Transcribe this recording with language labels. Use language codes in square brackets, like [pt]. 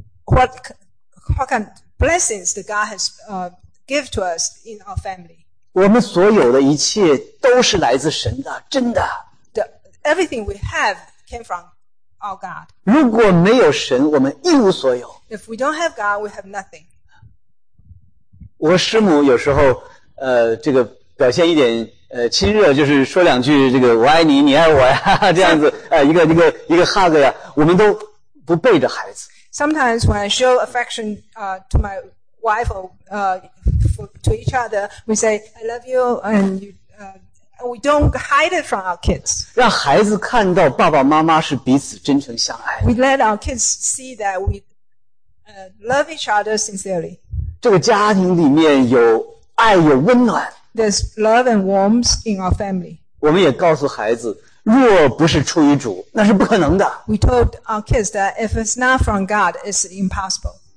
[en] What kind of blessings that God has give to us in our family? [zh] 我们所有的一切都是来自神的，真的。 [en] Everything we have came from our God. [zh] 如果没有神，我们一无所有。 [en] If we don't have God, we have nothing. [zh] 我师母有时候这个表现一点亲热，就是说两句这个我爱你，你爱我呀，这样子一个 hug 呀，我们都不背着孩子。 [en] Sometimes when I show affection to my wife or to each other, we say, I love you, and we don't hide it from our kids. [zh] 让孩子看到爸爸妈妈是彼此真诚相爱。 [en] We let our kids see that we love each other sincerely. [zh] 这个家庭里面有爱，有温暖。 [en] There's love and warmth in our family. [zh] 我们也告诉孩子若不是出于主，那是不可能的。 [en] We told our kids that if it's not from God, it's impossible.